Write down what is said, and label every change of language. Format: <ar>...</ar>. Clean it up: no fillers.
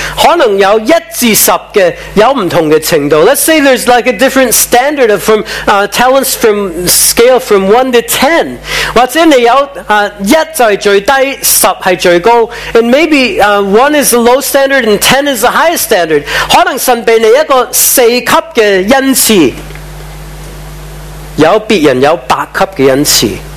<yue>可能有一至十嘅，有唔同嘅程度。</yue> <en>Let's say there's like a different standard of from talents from scale from 1 to 10.</en> <yue>或者你有一就系最低，十系最高。</yue> <en>And maybe one is the low standard and 10 is the highest standard.</en> <yue>可能神俾你一个四级嘅恩赐，有别人有八级嘅恩赐。</yue>